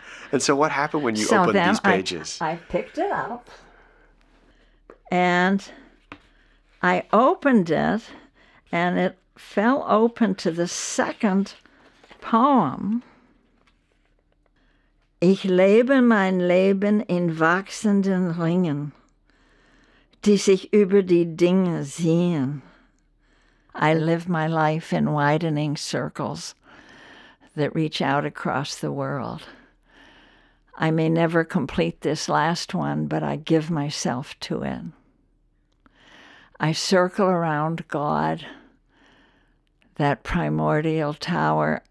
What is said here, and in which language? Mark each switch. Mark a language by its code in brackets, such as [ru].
[en] And so what happened when you opened these pages? I picked it up and I opened it and it fell open to the second poem. [de] Ich lebe mein Leben in wachsenden Ringen, die sich über die Dinge sehen. [en] I live my life in widening circles that reach out across the world. I may never complete this last one, but I give myself to it. I circle around God, that primordial tower.